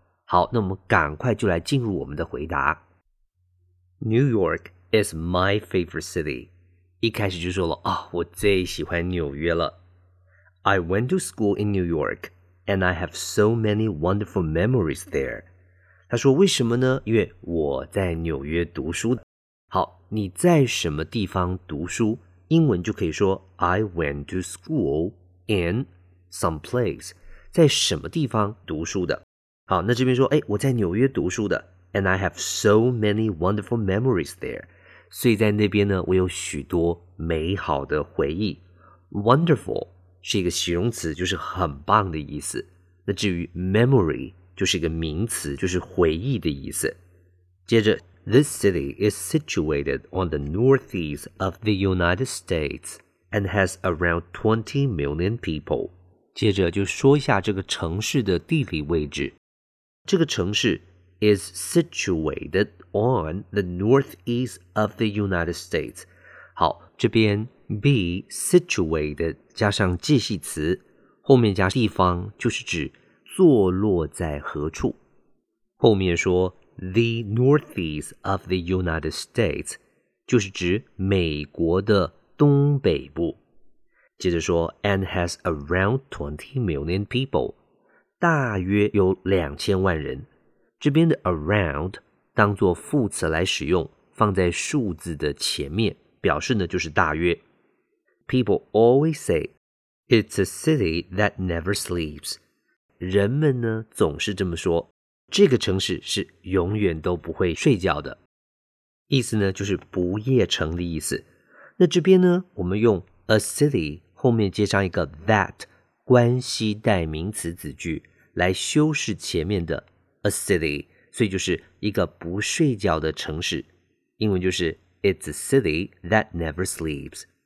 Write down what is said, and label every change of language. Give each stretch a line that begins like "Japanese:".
Chinese: 好，那我们赶快就来进入我们的回答。
English: New York is my favorite city.
Chinese: 一开始就说了，我最喜欢纽约了。
English: I went to school in New York, and I have so many wonderful memories there.
Chinese: 他说为什么呢？因为我在纽约读书。好，你在什么地方读书？英文就可以说
English: I went to school in some place.
Chinese: 在什么地方读书的？好，那这边说，我在纽约读书的 ，
English: and I have so many wonderful memories there，
Chinese: 所以在那边呢，我有许多美好的回忆。 Wonderful 是一个形容词，就是很棒的意思。那至于 memory 就是一个名词，就是回忆的意思。接着
English: ，This city is situated on the northeast of the United States and has around 20 million people。
Chinese: 接着就说一下这个城市的地理位置。这个城市
English: is situated on the northeast of the United States.
Chinese: 好，这边 be situated 加上介系词，后面加地方就是指坐落在何处。后面说
English: the northeast of the United States
Chinese: 就是指美国的东北部。接着说
English: and has around 20 million people.
Chinese: 大约有两千万人，这边的 around 当作副词来使用，放在数字的前面，表示呢就是大约。
English: People always say it's a city that never sleeps.
Chinese: 人们呢总是这么说，这个城市是永远都不会睡觉的。意思呢就是不夜城的意思。那这边呢，我们用 a city 后面接上一个 that。关系代名词子句来修饰前面的 a city， 所以就是一个不睡觉的城市，英文就是
English: it's a city that never sleeps。